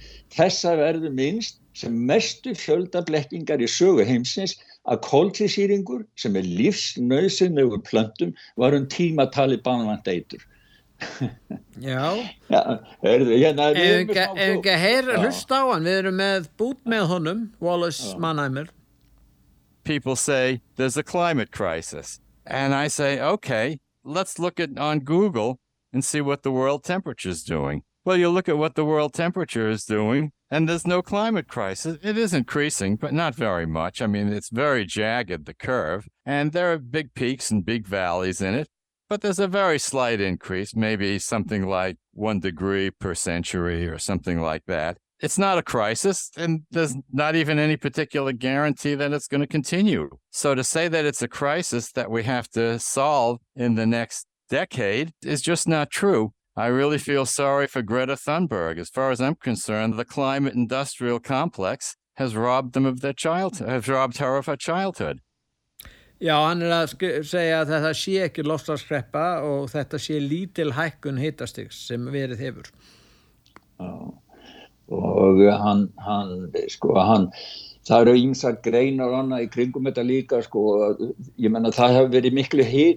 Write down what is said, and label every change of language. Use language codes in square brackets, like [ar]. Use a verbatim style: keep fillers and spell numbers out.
[is] Þessar verður minnst sem mestu fjölda blekkingar í sögu heimsins að koltvísýringur sem er lífsnauðsynlegur plöntum var um tímatali banvænt eitur. Já. Já, heyrðu, hérna er við með smá. Ef ekki heyra hlusta á hann, við erum með bút með honum, Wallace Mannheimer. [en] People say there's a climate crisis. And I say, okay, let's look at on Google and see what the world temperature is doing. Well, you look at what the world temperature is doing, and there's no climate crisis. It is increasing, but not very much. I mean, it's very jagged, the curve, and there are big peaks and big valleys in it, but there's a very slight increase, maybe something like one degree per century or something like that. It's not a crisis, and there's not even any particular guarantee that it's going to continue. So to say that it's a crisis that we have to solve in the next decade is just not true. I really feel sorry for Greta Thunberg. As far as I'm concerned, the climate industrial complex has robbed them of their childhood, has robbed her of her childhood. [is] Já, hann er að segja að þetta sé ekki loftslagskreppa og þetta sé lítil hækkun hitastigs sem verið hefur. Já, og hann, hann, sko, hann, það eru ýmsar greinar annað í kringum þetta líka, sko, ég menna það hefur verið miklu